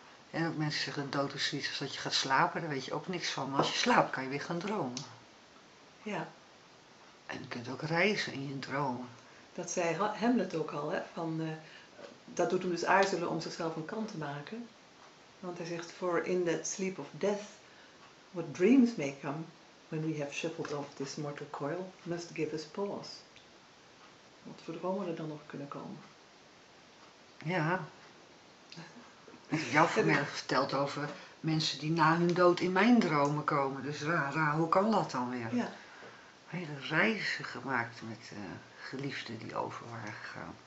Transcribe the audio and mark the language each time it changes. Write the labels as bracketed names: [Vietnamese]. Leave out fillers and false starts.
[Dutch] En ook mensen zeggen, dood is zoiets als dat je gaat slapen, daar weet je ook niks van. Maar als je slaapt, kan je weer gaan dromen. Ja. En je kunt ook reizen in je dromen. Dat zei Hamlet ook al, hè? Dat doet hem dus aarzelen om zichzelf een kant te maken. Want hij zegt, [English] for in that sleep of death, what dreams may come, when we have shuffled off this mortal coil, must give us pause. [Dutch] Wat voor dromen er dan nog kunnen komen? Ja. Ik heb jou vanmiddag verteld over mensen die na hun dood in mijn dromen komen. Dus raar, hoe kan dat dan weer? Ja. Hele reizen gemaakt met geliefden die over waren gegaan.